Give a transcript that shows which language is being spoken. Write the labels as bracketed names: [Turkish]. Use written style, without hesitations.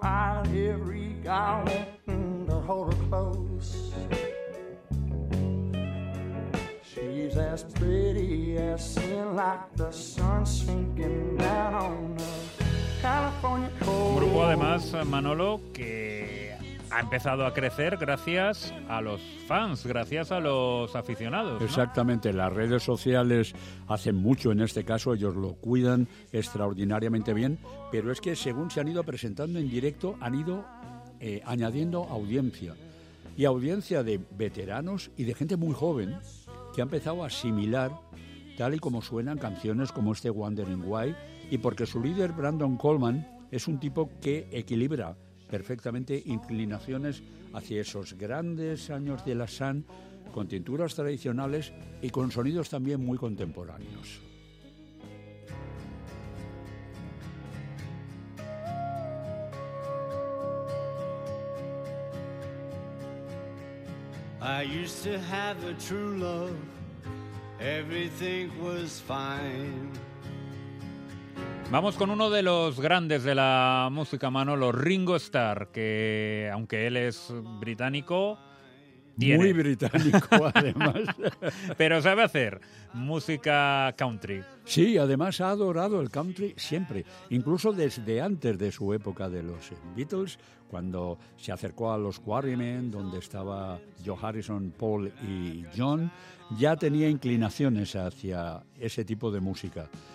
[English] I'll every guy wanting to hold her close. She's as pretty as sin, like the sun sinking down on the California coast. [Spanish] Grupo además, Manolo, que ha empezado a crecer gracias a los fans, gracias a los aficionados, ¿no? Exactamente, las redes sociales hacen mucho en este caso, ellos lo cuidan extraordinariamente bien, pero es que según se han ido presentando en directo, han ido añadiendo audiencia, y audiencia de veteranos y de gente muy joven que ha empezado a asimilar tal y como suenan canciones como este Wondering Why, y porque su líder Brandon Coleman es un tipo que equilibra perfectamente inclinaciones hacia esos grandes años de la Sun con tinturas tradicionales y con sonidos también muy contemporáneos. [English] I used to have a true love, everything was fine. [Spanish] Vamos con uno de los grandes de la música, Manolo, Ringo Starr, que aunque él es británico, tiene. Muy británico, además. Pero sabe hacer música country. Sí, además ha adorado el country siempre, incluso desde antes de su época de los Beatles, cuando se acercó a los Quarrymen, donde estaba Joe Harrison, Paul y John, ya tenía inclinaciones hacia ese tipo de música.